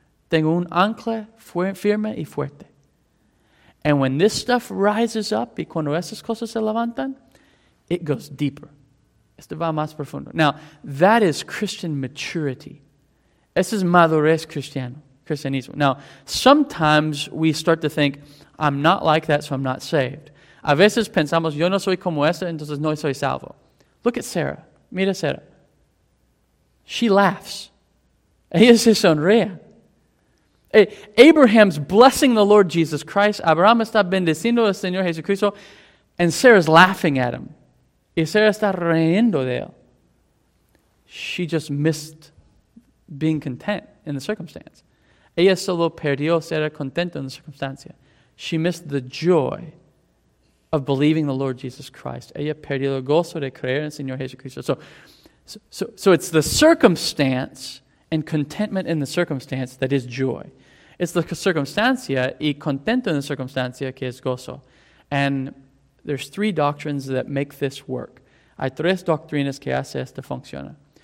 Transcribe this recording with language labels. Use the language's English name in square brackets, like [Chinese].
[Spanish] Tengo un ancla firme y fuerte. [English] And when this stuff rises up, [Spanish] y cuando esas cosas se levantan, [English] it goes deeper. [Spanish] Esto va más profundo. [English] Now, that is Christian maturity. [Spanish] Eso es madurez cristianismo. [English] Now, sometimes we start to think, I'm not like that, so I'm not saved. [Spanish] A veces pensamos, yo no soy como esa, entonces no soy salvo. [English] Look at Sarah. [Spanish] Mira Sarah. [English] She laughs. [Spanish] Ella se sonríe. [English] Abraham's blessing the Lord Jesus Christ. [Spanish] Abraham está bendiciendo al Señor Jesucristo. [English] And Sarah's laughing at him. [Spanish] Y Sarah está riendo de él. [English] She just missed being content in the circumstance. [Spanish] Ella solo perdió ser contento en la circunstancia. [English] She missed the joy of believing the Lord Jesus Christ. [Spanish] Ella perdió el gozo de creer en el Señor Jesucristo. [English] So it's the circumstance and contentment in the circumstance that is joy. It's the [Spanish] circunstancia y contento en la circunstancia que es gozo. And [English] there's three doctrines that make this work. [Spanish] Hay tres doctrinas que hace esto funcionar.